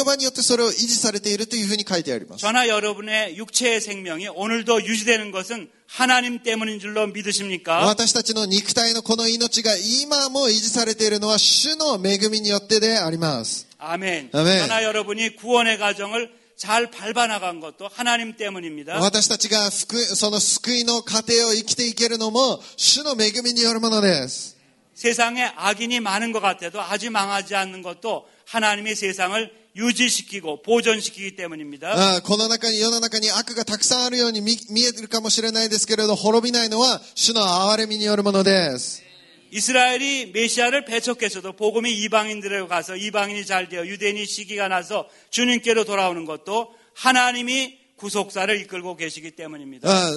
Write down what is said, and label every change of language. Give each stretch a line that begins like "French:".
Japanese: 御言葉によって6日によって主が作られました。で、今御言葉によってそれを維持されているというふうに書いてあります。
Korean: 저나 여러분의 육체의 생명이 오늘도 유지되는 것은 하나님 때문인 줄로 믿으십니까?
Japanese: 私たちの肉体のこの命が今も維持されているのは主の恵みによってであります。
Korean: 아멘. 저나 여러분이 구원의 과정을 잘 밟아나간 것도 하나님 때문입니다.
Japanese: 私たちがその救いの過程を生きていけるのも主の恵みによるものです.
Korean: 세상에 악인이 많은 것 같아도 아주 망하지 않는 것도 하나님이 세상을 유지시키고 보존시키기 때문입니다.
Japanese: この中に世の中に悪がたくさんあるように見えるかもしれないですけれど滅びないのは主の憐れみによるものです.
Korean: 이스라엘이 메시아를 배척했어도 복음이 이방인들에 가서 이방인이 잘 되어 유대인이 시기가 나서 주님께로 돌아오는 것도 하나님이 구속사를 이끌고 계시기 때문입니다.